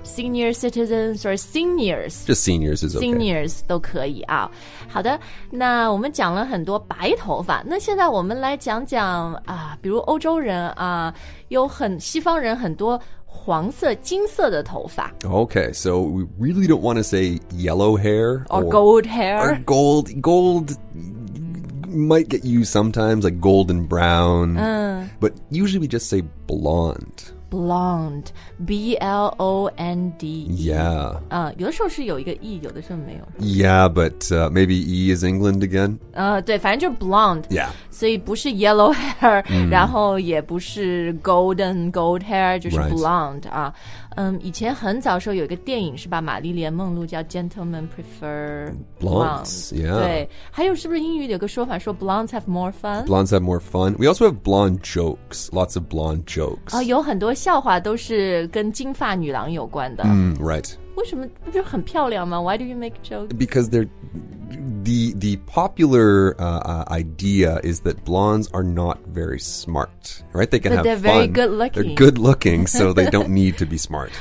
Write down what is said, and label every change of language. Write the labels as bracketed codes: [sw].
[en] Senior citizens or seniors. Just seniors is okay. [zh] Seniors 都可以啊。好的，那我们讲了很多白头发，那现在我们来讲讲啊，比如欧洲人啊，有很西方人很多黄色、金色的头发。 [en] Okay, so we really don't want to say yellow hair or gold hair. Or gold might get used sometimes, like golden brown. But usually we just say blonde. blonde, B-L-O-N-D-E. Yeah. [zh] 有的时候是有一个 E, 有的时候没有。 [en] Yeah, but maybe E is England again. [zh] 对，反正就 blonde. [en] Yeah. [zh] 所以不是 yellow hair,、mm. 然后也不是 gold hair, 就是 blonde. [en] Right. [zh] 以前很早时候有一个电影是吧，玛丽莲梦露叫 Gentlemen Prefer [en] Blondes. Yeah. [zh] 对，还有是不是英语有个说法说 [en] blondes have more fun? Blondes have more fun. We also have blonde jokes, lots of blonde jokes. [zh] 有很多笑话都是跟金发女郎有关的。 [en] Mm, right. [zh] 为什么不就很漂亮吗？ [en] Why do you make jokes? Because they're, the popular idea is that blondes are not very smart, right? They can but they're fun. They're very good looking. They're good looking, so they don't need to be smart.